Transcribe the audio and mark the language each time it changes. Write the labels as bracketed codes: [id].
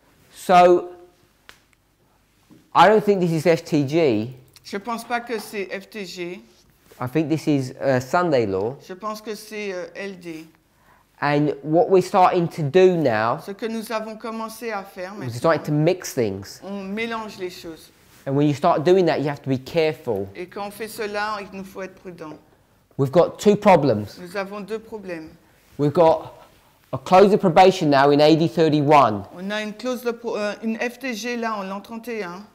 [en] So, I don't think this is FTG. [fr] Je pense pas que c'est FTG. [en] I think this is Sunday Law. [fr] Je pense que c'est LD. [en] And what we're starting to do now. [fr] Ce que nous avons commencé à faire maintenant. [en] We're starting to mix things. [fr] On mélange les choses. [en] And when you start doing that, you have to be careful. [fr] Et quand on fait cela, il nous faut être prudent. [en] We've got two problems. [fr] Nous avons deux problèmes. [en] We've got a close of probation now in AD 31. [fr] On a une clause de une FTG là en l'an 31.